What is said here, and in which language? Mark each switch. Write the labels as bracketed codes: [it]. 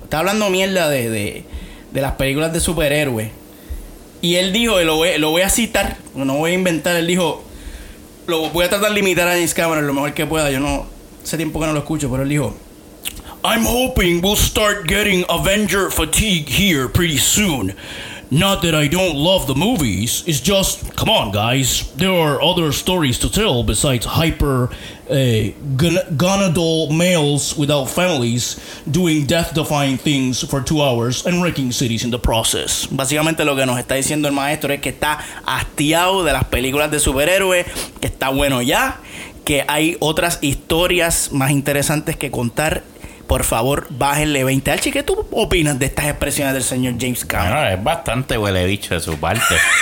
[es] Está hablando mierda de las películas de superhéroes. Y él dijo, y lo voy a citar, no voy a inventar. Él dijo, lo voy a tratar de imitar a James Cameron lo mejor que pueda. Yo no. Hace tiempo que no lo escucho, pero él dijo: [en] I'm hoping we'll start getting Avenger fatigue here pretty soon. Not that I don't love the movies, it's just, come on guys, there are other stories to tell besides hyper gonadal males without families doing death-defying things for 2 hours and wrecking cities in the process. [es] Básicamente lo que nos está diciendo el maestro es que está hastiado de las películas de superhéroes, que está bueno ya, que hay otras historias más interesantes que contar. Por favor, bájenle 20. Archie, ¿qué tú opinas de estas expresiones del señor James Cameron? Bueno, es bastante huele bicho de su parte.